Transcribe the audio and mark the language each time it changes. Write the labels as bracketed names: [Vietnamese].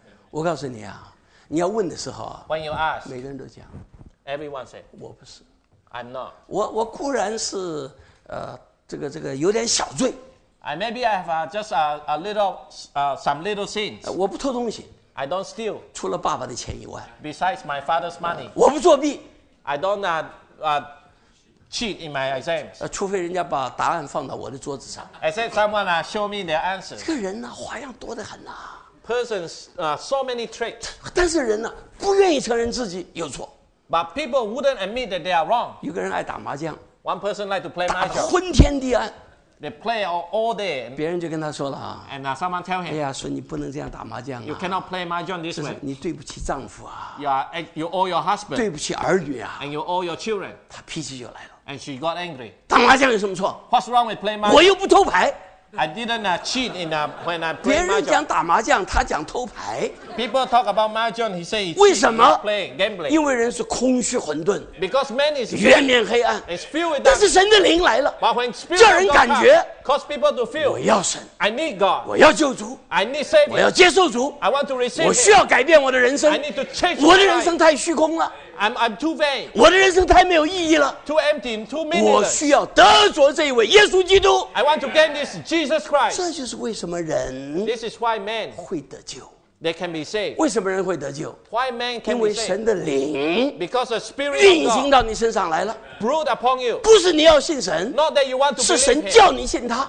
[Chinese] 我告诉你啊，你要问的时候啊。 [English] When you ask. [Chinese] 每个人都讲。 [English] Everyone say. [Chinese] 我不是。 [English] I'm not. [Chinese] 我固然是这个有点小罪。 [English] I maybe I have just a little some little sins. [Chinese] 我不偷东西。 [English] I don't steal. [Chinese] 除了爸爸的钱以外。 [English] Besides my father's money. [Chinese] 我不作弊。 [English] I don't cheat in my exams. [Chinese] 除非人家把答案放到我的桌子上。 [English] Except someone show me their answers. [Chinese] 这个人呢，花样多得很呐。 [English] Persons so many tricks. [Chinese] 但是人呢，不愿意承认自己有错。 [English] But people wouldn't admit that they are wrong. [Chinese] 有个人爱打麻将。 [English] One person like to play mahjong. [Chinese] 打得昏天地暗。 [English] They play all day. [Chinese] 别人就跟他说了啊。 [English] And someone tell him. [Chinese] 哎呀，说你不能这样打麻将啊。 [English] You cannot play mahjong this way. [Chinese] 你对不起丈夫啊。 [English] You owe your husband. [Chinese] 对不起儿女啊。 [English] And you owe your children. [Chinese] 他脾气就来了。 [English] And she got angry. [Chinese] 打麻将有什么错？ [English] What's wrong with playing mahjong? [Chinese] 我又不偷牌。 [English] I didn't cheat in when I play mahjong. [Chinese] 别人讲打麻将，他讲偷牌。 [English] People talk about mahjong, he say. [Chinese] 为什么？ [English] Play gambling. [Chinese] 因为人是空虚混沌。 [English] Because man is [Chinese] 圆面黑暗。 [English] It's filled with. [Chinese] 但是神的灵来了。 [English] But when spirit comes, [Chinese] 叫人感觉。 [English] Cause people to feel. [Chinese] 我要神。 [English] I need God. [Chinese] 我要救主。 [English] I need saving. [Chinese] 我要接受主。 [English] I want to receive. [Chinese] 我需要改变我的人生。 [English] I need to change. [Chinese] 我的人生太虚空了。 [English] I'm too vain. [Chinese] 我的人生太没有意义了。 [English] Too empty, too meaningless. [Chinese] 我需要得着这一位耶稣基督。 [English] I want to gain this Jesus Christ. [Chinese] 这就是为什么人 [English] This is why man [Chinese] 会得救。 [English] They can be saved. [Chinese] 为什么人会得救？ [English] Why man can be saved? [Chinese] 因为神的灵 [English] Because the Spirit of God [Chinese] 运行到你身上来了。 [English] Brewed upon you. [Chinese] 不是你要信神。 [English] Not that you want to believe him. [Chinese] 是神叫你信他。